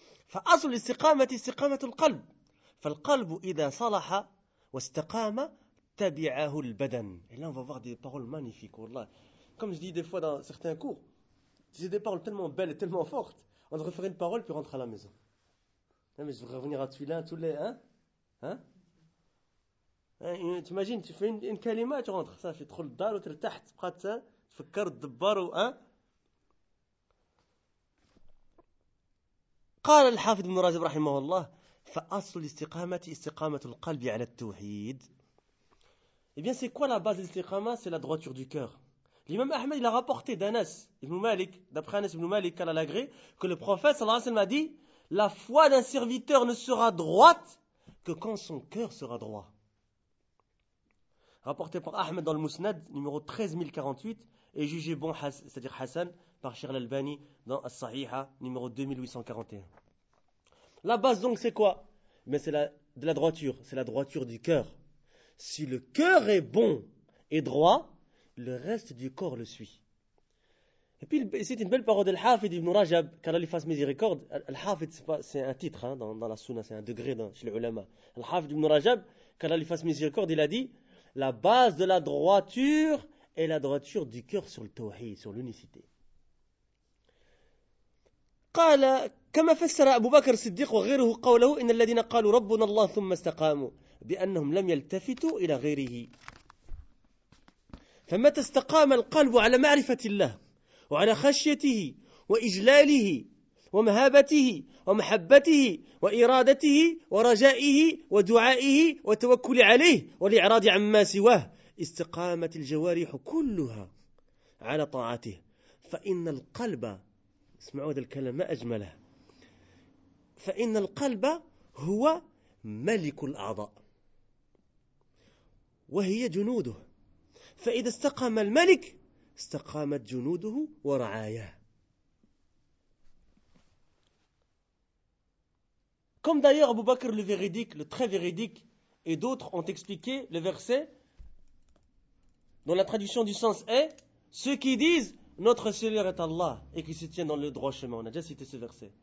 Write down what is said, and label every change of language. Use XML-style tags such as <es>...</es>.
<ar>فأصل الاستقامة استقامة القلب فالقلب إذا صلح واستقام تبعه البدن.</ar> <fr>Et là on va voir des paroles magnifiques, والله. Comme je dis des fois dans certains cours, c'est des paroles tellement belles et tellement fortes, on devrait faire une parole puis rentrer à la maison. Non, mais je devrais revenir à Tulin tous les, hein? Hein? Tu imagines, tu fais une kalima, tu rentres, ça fait trop le dal, tu es</fr> <ar>تحت قعدت تفكر تدبر و</ar> <fr>hein.</fr> <ar>قال الحافظ ابن رجب رحمه الله فأصل الاستقامة استقامة القلب على التوحيد.</ar> <fr>Eh bien, c'est quoi la base de l'istiqama? C'est la droiture du cœur. L'imam Ahmed, il a rapporté d'Anas ibn Malik, d'après Anas ibn Malik, qu'elle a l'agré, que le prophète sallallahu alayhi wa sallam a dit: la foi d'un serviteur ne sera droite que quand son cœur sera droit. Rapporté par Ahmed dans le Musnad, numéro 13048, et jugé bon, c'est-à-dire Hassan, par Cheikh l'Albani dans As-Sahiha, numéro 2841. La base donc, c'est quoi? Mais c'est la droiture, c'est la droiture du cœur. Si le cœur est bon et droit, le reste du corps le suit. Et puis, c'est une belle parole de l'Hafid ibn Rajab, qu'Allah lui fasse miséricorde. Al-Hafid, c'est un titre hein, dans la sunna, c'est un degré chez les ulama. Al-Hafid ibn Rajab, qu'Allah lui fasse miséricorde, il a dit: la base de la droiture est la droiture du cœur sur le tawhid, sur l'unicité.</fr> <ar>قال كما فسر أبو بكر الصديق وغيره قوله إن الذين قالوا ربنا الله ثم استقاموا بأنهم لم يلتفتوا إلى غيره. فمتى استقام القلب على معرفة الله وعلى خشيته وإجلاله ومهابته ومحبته وإرادته ورجائه ودعائه وتوكل عليه والإعراض عما سواه استقامت الجوارح كلها على طاعته. فإن القلب اسمعوا هذا الكلام ما أجمله. فإن القلب هو ملك الأعضاء وهي جنوده، فإذا استقام الملك استقامت جنوده ورعاياه.</ar> <fr>Comme d'ailleurs Abu Bakr le véridique, le très véridique, et d'autres ont expliqué le verset dont la traduction du sens est: ceux qui disent notre Seigneur est Allah et qui se tient dans le droit chemin. On a déjà cité ce verset.</fr>